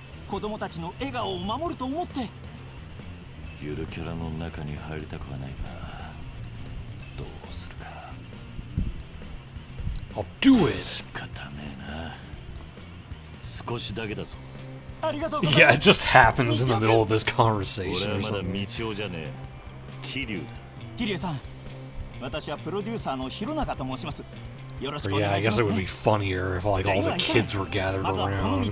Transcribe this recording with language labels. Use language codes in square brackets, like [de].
[ja] 子供たちの笑顔を守ると思って。ゆるキャラの中に入りたくはないが、どうするか。 [en] I'll do it。 [ja] 仕方ねえな、少しだけだぞ。ありがとうございます。 [en] Yeah, it just happens in the middle of this conversation or something。 [ja] 俺はまだ道夫じゃねえ、キリュウだ。キリュウさん、私はプロデューサーの広中と申します。 [en] But、yeah, I guess it would be funnier if like, all the kids were gathered around.